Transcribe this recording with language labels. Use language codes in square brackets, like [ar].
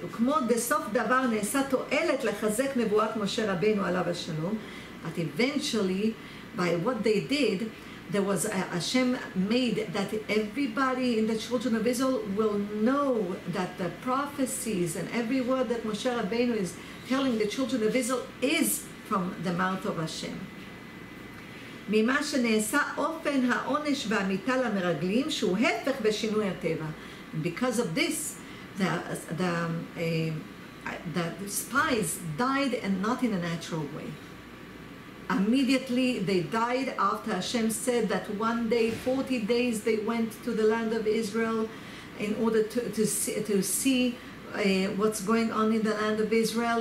[he] וכמו בסוף דבר נעשה תועלת לחזק נבואת משה רבינו עליו השלום. [en] But eventually, by what they did, there was Hashem made that everybody in the children of Israel will know that the prophecies and every word that Moshe Rabbeinu is telling the children of Israel is from the mouth of Hashem. [he] ממה שנעשה אופן העונש והמיטה למרגלים שהוא הפך בשינוי הטבע. [en] Because of this, the spies died and not in a natural way. Immediately they died after Hashem said that one day, 40 days, they went to the land of Israel in order to see what's going on in the land of Israel.